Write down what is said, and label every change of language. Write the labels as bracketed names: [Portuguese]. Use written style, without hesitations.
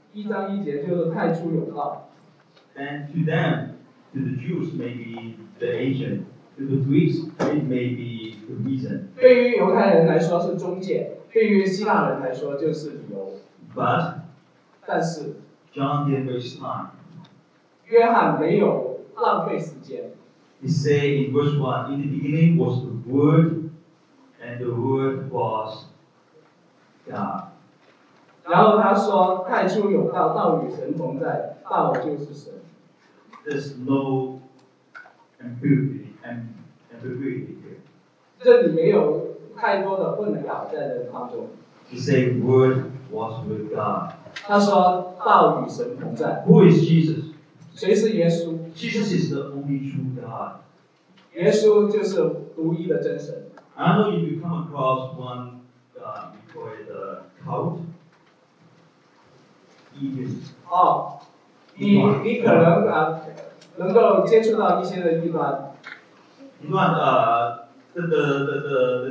[Chinese] 约翰福音一章一节就是太初有道。 [English] And to them, to the Jews, maybe the ancient, to the Greeks, it may be the reason. [Chinese] 对于犹太人来说是终结，对于希腊人来说就是理由。 [English] But [Chinese] 但是, [English] John didn't waste time. [Chinese] 约翰没有浪费时间。 [English] He said in verse 1, in the beginning was the Word, and the Word was God. [Chinese] 然后他说,太初有道,道与神同在,道就是神。 [English] There's no ambiguity, here. [Chinese] 这里没有太多的混淆在人当中。 [English] He said Word was with God. [Chinese] 他说,道与神同在。 [English] Who is Jesus? [Chinese] 谁是耶稣? [English] Jesus is the only true God. [Chinese] 耶稣就是独一的真神。I [English] know if you come across one, you call it a cult. Oh, you can [Chinese] 能够接触到一些的异端。异端，the